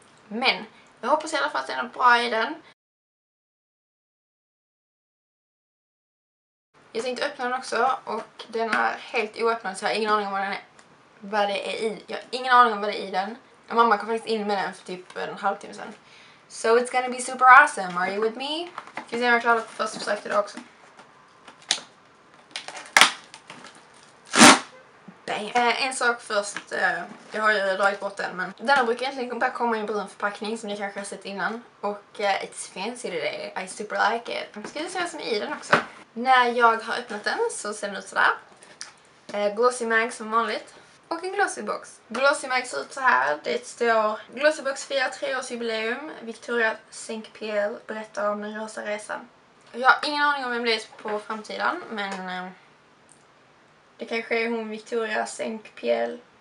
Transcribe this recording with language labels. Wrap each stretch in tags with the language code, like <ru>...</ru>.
<sv>Men jag hoppas i alla fall att det är något bra i den. Jag tänkte öppna den också, och den är helt oöppnad, så jag har ingen aning om vad det är i. Jag har ingen aning om vad det är i den. Mamma kom faktiskt in med den för typ en halvtimme sedan.</sv> <en>So it's gonna be super awesome, are you with me?</en> <sv>Vi ser om jag klarar det på första försöket idag också. En sak först, jag har ju dragit bort den, men den brukar egentligen bara komma i en brun förpackning som ni kanske har sett innan. Och</sv> <en>it's fancy today, I super like it.</en> <sv>Ska du se vad som är i den också? När jag har öppnat den så ser den ut sådär. Glossy mag som vanligt. Och en glossy box. Glossy mag ser ut så här. Det står Glossy Box 4, 3-årsjubileum. Victoria Sinkpiel berättar om den rosa resan. Jag har ingen aning om vem det är på framtiden, men det kanske är hon Victoria Sinkpiel.</sv>